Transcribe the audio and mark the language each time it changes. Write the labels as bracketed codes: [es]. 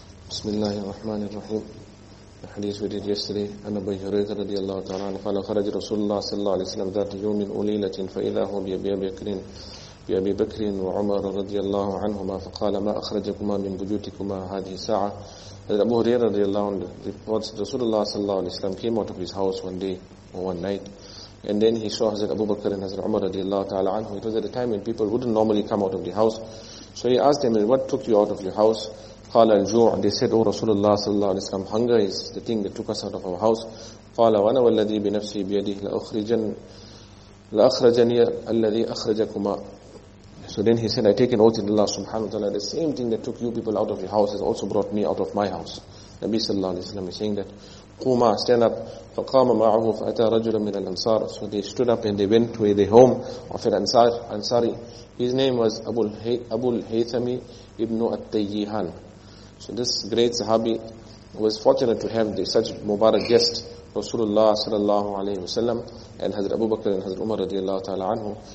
[ar] بسم الله الرحمن الرحيم. الحديث في يسري أن أبي هريرة رضي الله تعالى عنه قال: خرج رسول الله صلى الله عليه وسلم ذات يوم أليلة فإذا هو بأبي بكر وعمر رضي الله عنهما، فقال: ما أخرجكما من بيوتكما هذه الساعة؟ أبو هريرة رضي الله عنه [en] reports [ar] رسول الله صلى الله عليه وسلم [en] came out of his house one day or one night, and then he saw Hazrat Abu Bakr and Hazrat Umar [ar] رضي الله تعالى عنه. [en] It was at a time when people wouldn't normally come out of the house, so he asked them, "What took you out of your house?" [ar] قال الجوع. [en] They said, "Oh Rasulullah sallallahu alaihi wasallam, hunger is the thing that took us out of our house." [ar] قال: وأنا والذي بنفسي بيده لأخرجني الذي أخرجكما. [en] So then he said, "I take an oath in Allah subhanahu wa ta'ala, the same thing that took you people out of your house has also brought me out of my house." Nabi sallallahu alaihi wasallam is saying that, قوما, stand up. [ar] فقام معه فأتى رجلا من الأنصار. [en] So they stood up and they went to the home of an Ansari. His name was Abu al-Haythami ibn At-Tayyihan. So this great Sahabi was fortunate to have the such Mubarak guest, Rasulullah sallallahu alayhi wa sallam, and Hazrat Abu Bakr and Hazrat Umar radiallahu ta'ala anhu.